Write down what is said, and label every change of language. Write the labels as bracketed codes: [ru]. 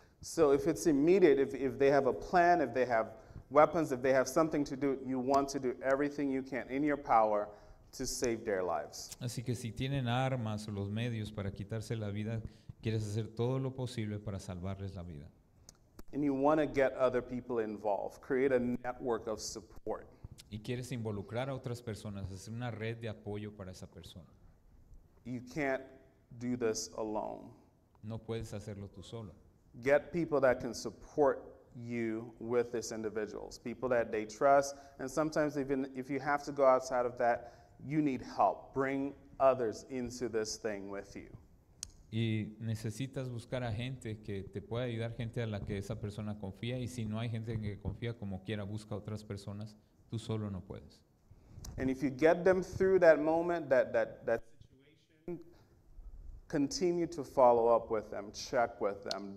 [en] So if it's immediate, if they have a plan, if they have weapons, if they have something to do, you want to do everything you can in your power to save their lives. [es] Así que si tienen armas o los medios para quitarse la vida, quieres hacer todo lo posible para salvarles la vida. [en] And you want to get other people involved. Create a network of support. [es] Y quieres involucrar a otras personas, hacer una red de apoyo para esa persona. [en] You can't do this alone. [es] No puedes hacerlo tú solo. [en] Get people that can support you with these individuals. People that they trust. And sometimes even if you have to go outside of that, you need help. Bring others into this thing with you. [es] Y necesitas buscar a gente que te pueda ayudar, gente a la que esa persona confía. Y si no hay gente en que confía, como quiera, busca otras personas. Tú solo no puedes. [en] And if you get them through that moment, that situation, continue to follow up with them, check with them.